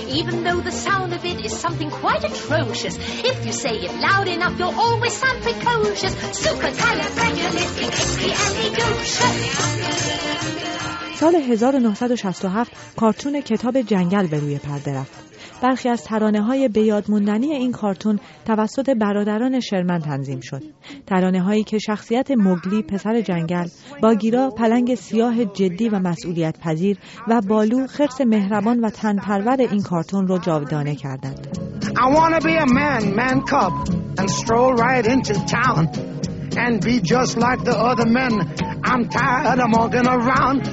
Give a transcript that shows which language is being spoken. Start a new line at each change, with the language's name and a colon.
English: Even though the sound of it is something quite atrocious, if you say it loud enough, you'll always sound precocious. Supercalifragilisticexpialidocious.
Persian: سال 1967 کارتون کتاب جنگل به روی پرده رفت. برخی از ترانه های به یاد موندنی این کارتون توسط برادران شرمن تنظیم شد. ترانه هایی که شخصیت موگلی پسر جنگل، باگیرا پلنگ سیاه جدی و مسئولیت پذیر و بالو خرس مهربان و تن پرور این کارتون را جاودانه کردند.
English: I wanna be a man cub and stroll right into town and be just like the other men. I'm tired of mugging around.